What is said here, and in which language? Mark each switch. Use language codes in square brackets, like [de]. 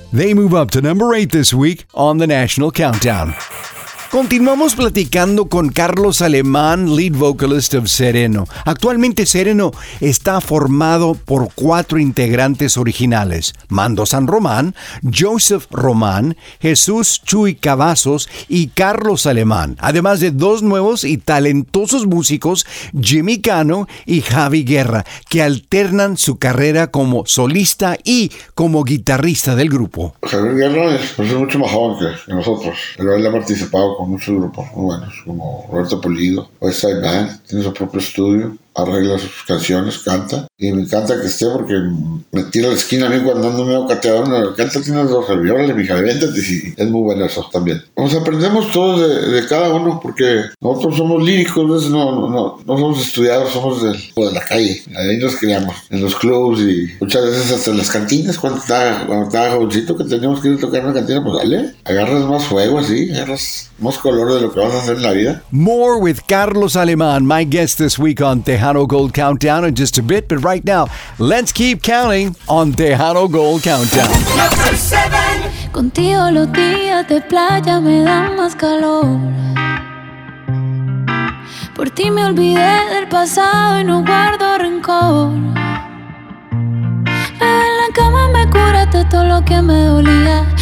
[en] They move up to number 8 this week on the National Countdown. [es] Continuamos platicando con Carlos Alemán, [en] lead vocalist of Sereno. [es] Actualmente Sereno está formado por 4 integrantes originales, Mando San Román, Joseph Román, Jesús Chuy Cavazos y Carlos Alemán, además de 2 nuevos y talentosos músicos, Jimmy Cano y Javi Guerra, que alternan su carrera como solista y como guitarrista del grupo. Javi Guerra es mucho más joven que nosotros, pero él ha participado con muchos grupos muy buenos, como Roberto Pulido, West Side Band, tiene su propio estudio, arregla sus canciones, canta, y me encanta que esté porque me tira a la esquina a mí cuando ando medio cateado. Me encanta, tiene 2 servidores, mija, véntate, sí, es muy bueno eso también. Nos aprendemos todos de cada uno porque nosotros somos líricos, no somos estudiados, somos de la calle, ahí nos criamos, en los clubs y muchas veces hasta en las cantinas, cuando estaba jovencito que teníamos que ir a tocar en la cantina, pues dale, agarras más fuego así, agarras más color de lo que vas a hacer en la vida. [en] More with Carlos Alemán, my guest this week on Tejano Gold Countdown in just a bit, but right now, let's keep counting on Tejano Gold Countdown. Number 7. [es] Contigo los días de playa me dan más calor. Por ti me olvidé del pasado y no guardo rencor. Bebé en la cama me curaste todo lo que me dolía.